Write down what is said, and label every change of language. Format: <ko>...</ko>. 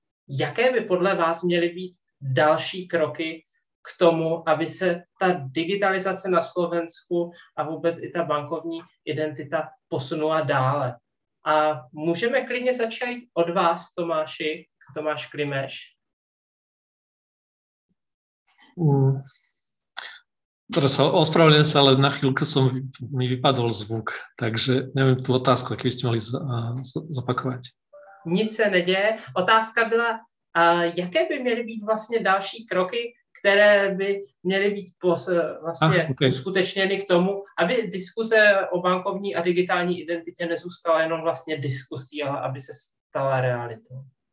<cs>Jaké by podle vás měly být další kroky k tomu, aby se ta digitalizace na Slovensku a vůbec i ta bankovní identita posunula dále. A můžeme klidně začít od vás, Tomáši, Tomáš Klimeš.</cs> <sk>Teraz sa ospravedlňujem sa, ale na chvíľku som mi vypadol zvuk, takže neviem tú otázku, aký by ste mali zopakovať.</sk> <cs>Nic se neděje. Otázka byla, jaké by měly být vlastně další kroky, které by měly být uskutečněny k tomu, aby diskuze o bankovní a digitální identitě nezůstala jenom vlastně diskusí, ale aby se stala realitou.</cs>